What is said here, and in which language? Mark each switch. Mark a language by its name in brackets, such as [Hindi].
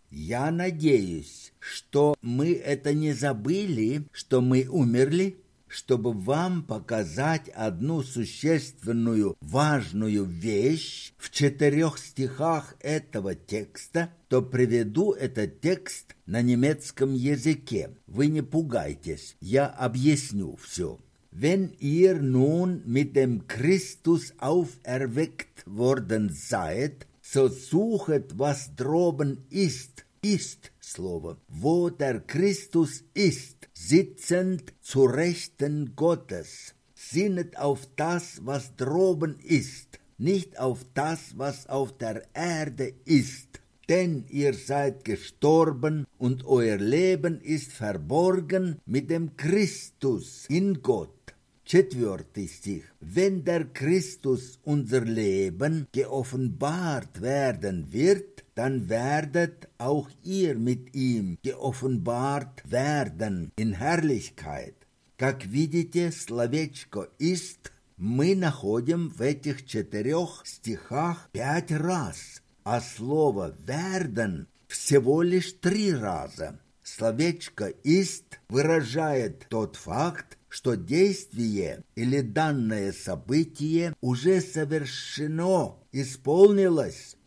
[Russian] Я надеюсь, что мы это не забыли, что мы умерли, чтобы вам показать одну существенную важную вещь в 4 стихах этого текста, то приведу этот текст на немецком языке. Вы не пугайтесь, я объясню все. [German] Wenn ihr nun mit dem Christus auferweckt worden seid, so suchet was droben ist, ist [Russian] слово, [German] wo der Christus ist. Sitzend zu Rechten Gottes, sinnet auf das, was droben ist, nicht auf das, was auf der Erde ist. Denn ihr seid gestorben und euer Leben ist verborgen mit dem Christus in Gott. 4. Stich. Wenn der Christus unser Leben geoffenbart werden wird, dann werdet auch ihr mit ihm geoffenbart werden in Herrlichkeit. [Russian] Как видите, словечко «ist» мы находим в этих 4 стихах 5 раз, а слово «werden» всего лишь 3 раза. Словечко «ist» выражает тот факт, что действие или данное событие уже совершено, исполнилось.